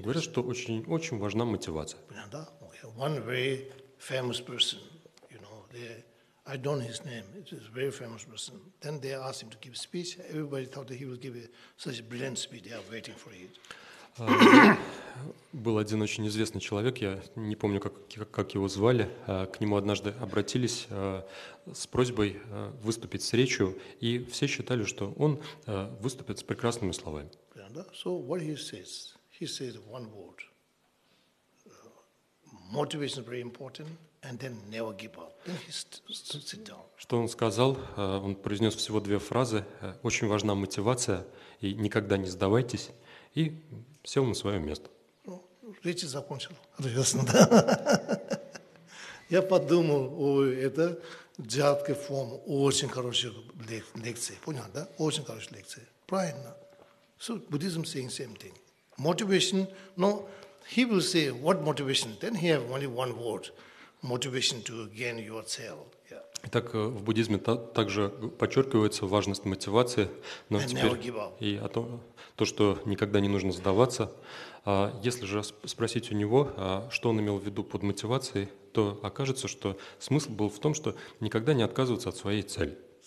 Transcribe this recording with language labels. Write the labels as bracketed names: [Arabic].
[Russian] говорят, что очень, очень важна мотивация. [English] One very famous person, you know, I don't know his name. It's a very famous person. Then they asked him to give a speech. Everybody thought that he would give such a brilliant speech. They are waiting for it. [Russian] Был один очень известный человек, я не помню, как его звали, к нему однажды обратились с просьбой выступить с речью, и все считали, что он выступит с прекрасными словами. [English] So what he says one word. Motivation is very important, and then never give up. Then he sit down. [Russian] Что он сказал? Он произнес всего две фразы. Очень важна мотивация, и никогда не сдавайтесь, и сел на свое место. Речь закончил. Я подумал, это жаткая форма, очень хорошая лекция. Понял, да? Очень хорошая лекция. Правильно. [English] So Buddhism saying same thing. Motivation, no, he will say, what motivation? Then he have only one word, motivation to gain yourself. [Russian] Итак, в буддизме также подчеркивается важность мотивации, но теперь и о том, то, что никогда не нужно сдаваться. Если же спросить у него, что он имел в виду под мотивацией, то окажется, что смысл был в том, что никогда не отказываться от своей цели.